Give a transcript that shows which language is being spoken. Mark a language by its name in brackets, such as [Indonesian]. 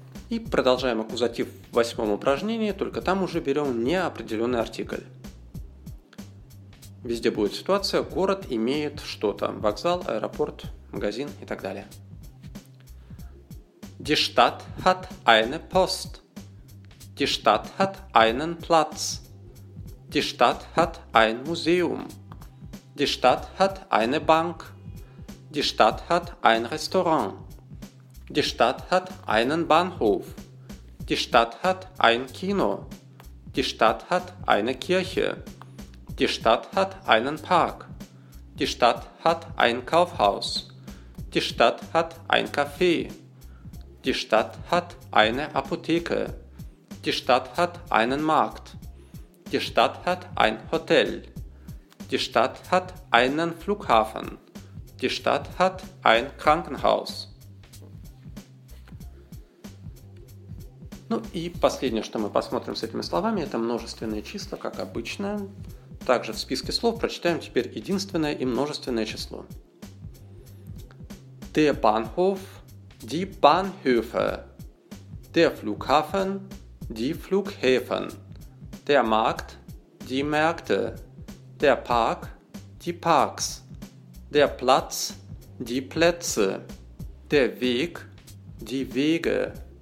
[Russian] И продолжаем аккузатив в восьмом упражнении, только там уже берем неопределенный артикль. Везде будет ситуация, город имеет что-то, вокзал, аэропорт, магазин и так далее. [German] Die Stadt hat eine Post. Die Stadt hat einen Platz. Die Stadt hat ein Museum. Die Stadt hat eine Bank. Die Stadt hat ein Restaurant. Die Stadt hat einen Bahnhof. Die Stadt hat ein Kino. Die Stadt hat eine Kirche. Die Stadt hat einen Park. Die Stadt hat ein Kaufhaus. Die Stadt hat ein Café. Die Stadt hat eine Apotheke. Die Stadt hat einen Markt. Die Stadt hat ein Hotel. Die Stadt hat einen Flughafen. Die Stadt hat ein Krankenhaus. [Russian] Ну и последнее, что мы посмотрим с этими словами, это множественные числа, как обычно. Также в списке слов прочитаем теперь единственное и множественное число. [German] Der Bahnhof, die Bahnhöfe. Der Flughafen, die Flughäfen. Der Markt, die Märkte. Der Park, die Parks. Der Platz, die Plätze. Der Weg, die Wege.